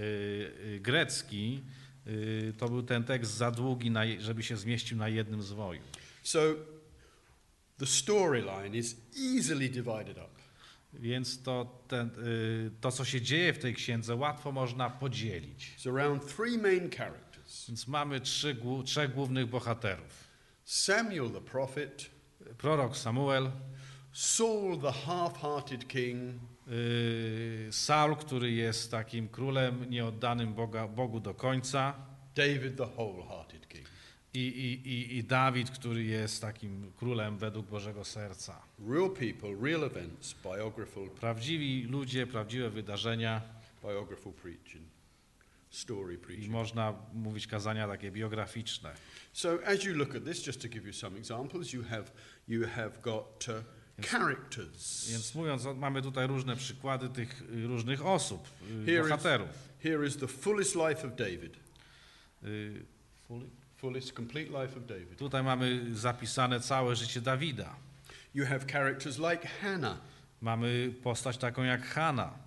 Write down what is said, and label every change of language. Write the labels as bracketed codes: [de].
[pl] Kiedy była tłumaczona na grecki, to był ten tekst za długi, żeby się zmieścił na jednym zwoju. [en] So the storyline is easily divided up. [pl] Więc to, co się dzieje w tej księdze, łatwo można podzielić. [en] It's around three main characters. [pl] Więc mamy trzech głównych bohaterów. [en] Samuel the prophet. [pl] Prorok Samuel. [en] Saul, the half-hearted king. [pl] Saul, który jest takim królem nieoddanym Bogu do końca. [en] David, the whole-hearted king. [pl] I Dawid, który jest takim królem według Bożego serca. [en] Real people, real events, biographical. [pl] Prawdziwi ludzie, prawdziwe wydarzenia. [en] Biographical preaching, story preaching. [pl] I można mówić kazania takie biograficzne. [en] So as you look at this, just to give you some examples, you have got. Characters. [pl] Więc mówiąc, mamy tutaj różne przykłady tych różnych osób, bohaterów. [en] Here is the fullest life of David. Fullest complete life of David. [pl] Tutaj mamy zapisane całe życie Dawida. [en] You have characters like Hannah. [pl] Mamy postać taką jak Hanna.